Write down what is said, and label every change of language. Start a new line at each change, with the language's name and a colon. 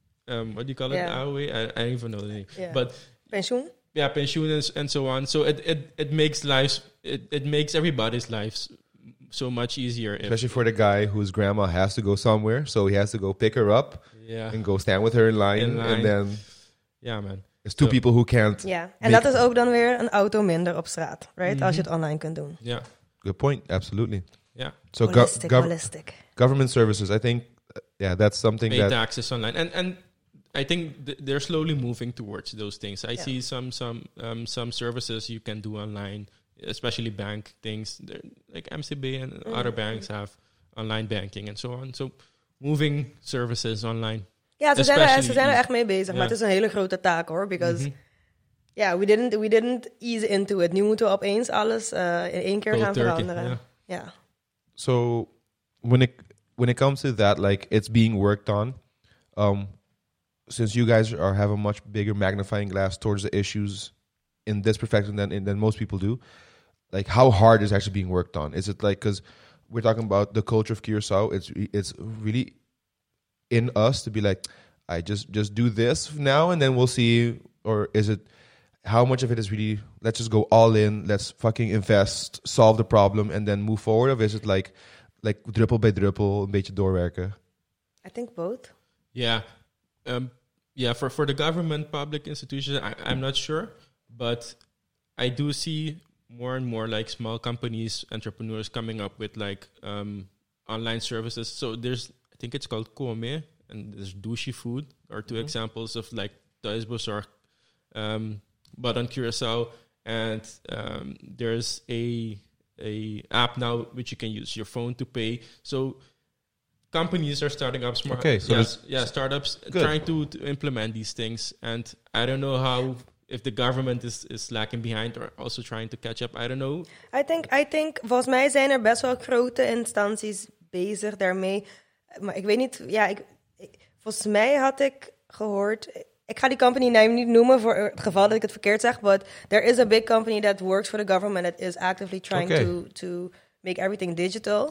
English: What do you call it? Yeah. Away? I don't even know the name. Yeah. But pension? Yeah, pension and so on. So it makes everybody's lives so much easier. Especially for the guy whose grandma has to go somewhere. So he has to go pick her up and go stand with her in line. And then it's two people who can't. Yeah, and that is
Dutch: ook dan weer een auto minder op straat,
English: right?
Dutch: Mm-hmm. Als je het online kunt doen.
English: Yeah. Good point, absolutely. Yeah. So holistic. Government services, I think, that's something Pay taxes online. And I think they're slowly moving towards those things. I see some services you can do online, especially bank things. They're like MCB and other banks have online banking and so on. So moving services online.
Dutch: Yeah, ze zijn er echt mee bezig. Yeah. Maar het is een hele grote taak, hoor.
English: Because, mm-hmm. we didn't ease into it.
Dutch: Nu moeten we opeens alles in één keer gaan veranderen.
English: Yeah. So when it comes to that, like, it's being worked on. Since you guys have a much bigger magnifying glass towards the issues in this perspective than most people do, like, how hard is actually being worked on? Is it like, because we're talking about the culture of Curaçao, it's really in us to be like, I just do this now and then we'll see? Or is it, how much of it is really, let's just go all in, let's fucking invest, solve the problem and then move forward? Or is it like
Dutch: drippel by drippel, een beetje doorwerken?
English: I think both. Yeah. For the government public institutions, I'm not sure, but I do see more and more like small companies, entrepreneurs coming up with like online services. So there's, I think it's called Kome, and there's Douchey Food are two mm-hmm. examples of like Thuisbezorg, but on Curaçao, and there's a app now which you can use your phone to pay. So companies are starting up smart. Okay, so startups good. Trying to implement these things. And I don't know how, if the government is lagging behind or also trying to catch up. I don't know. I think,
Dutch: volgens mij zijn er best wel grote instanties bezig daarmee. Maar ik weet niet, volgens mij had ik gehoord, ik ga die company name niet noemen voor het geval dat ik het verkeerd zeg,
English: but there is a big company that works for the government that is actively trying to make everything digital.